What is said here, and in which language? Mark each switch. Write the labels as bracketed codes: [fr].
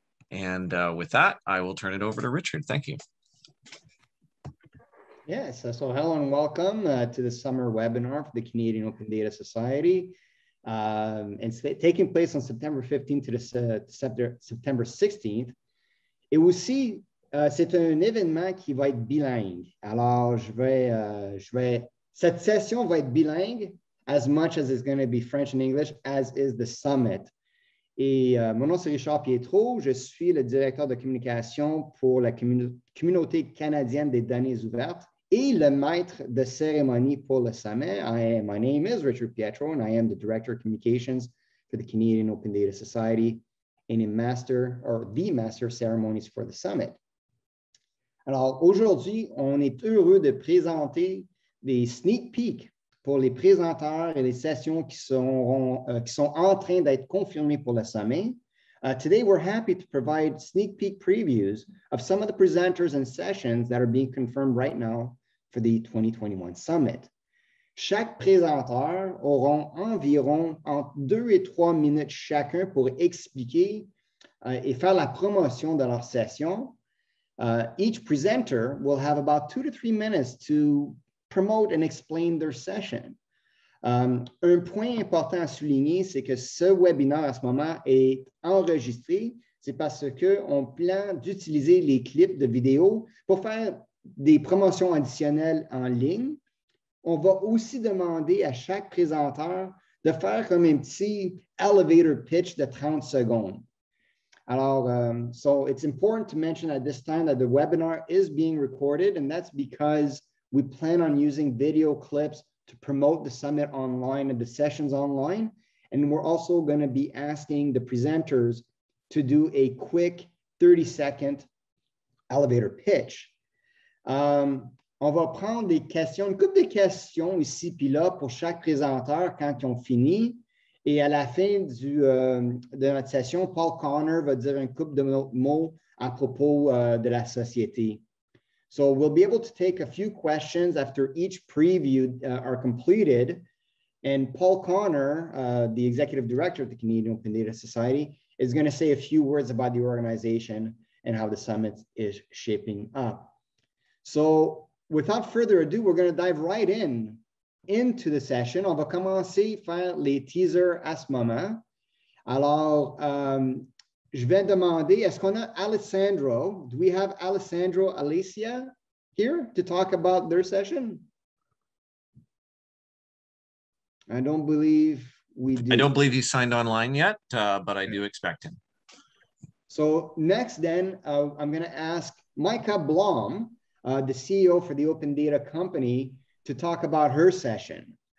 [en] And with that, I will turn it over to Richard. Thank you. Yes, so hello and welcome to the summer webinar for the Canadian Open Data Society. It's taking place on September 15th to the September 16th. [fr] Et aussi, c'est un événement qui va être bilingue. Alors, cette session va être bilingue [en] as much as it's going to be French and English, as is the summit. [fr] Et mon nom, c'est Richard Pietro. Je suis le directeur de communication pour la communauté canadienne des données ouvertes et le maître de cérémonie pour le sommet. [en] My name is Richard Pietro, and I am the director of communications for the Canadian Open Data Society and the master of ceremonies for the summit. [fr] Alors, aujourd'hui, on est heureux de présenter des sneak peeks pour les présentateurs et les sessions qui sont en train d'être confirmées pour le sommet. [en] Today, we're happy to provide sneak peek previews of some of the presenters and sessions that are being confirmed right now for the 2021 summit. [fr] Chaque présentateur auront environ entre 2 et 3 minutes chacun pour expliquer et faire la promotion de leur session. [en] Each presenter will have about 2 to 3 minutes to promote and explain their session. [fr] Un point important à souligner, c'est que ce webinaire à ce moment est enregistré. C'est parce qu'on plane d'utiliser les clips de vidéo pour faire des promotions additionnelles en ligne. On va aussi demander à chaque présentateur de faire comme un petit elevator pitch de 30 secondes. [en] Alors, so it's important to mention at this time that the webinar is being recorded, and that's because we plan on using video clips to promote the summit online and the sessions online. And we're also going to be asking the presenters to do a quick 30-second elevator pitch. [fr] On va prendre des questions, une couple de questions ici puis là pour chaque présentateur quand ils ont fini. Et à la fin de notre session, Paul Connor va dire un couple de mots à propos de la société. [en] So we'll be able to take a few questions after each preview are completed. And Paul Connor, the executive director of the Canadian Open Data Society, is going to say a few words about the organization and how the summit is shaping up. So without further ado, we're going to dive right into the session. [fr] On va commencer faire les teasers à ce moment. Alors, je vais demander, est-ce qu'on a Alessandro? [en] Do we have Alessandro Alicia here to talk about their session? I don't believe we do. I don't believe he's signed online yet, but I do expect him. So next then, I'm going to ask Maaike Blom, the CEO for the Open Data Company, to talk about her session.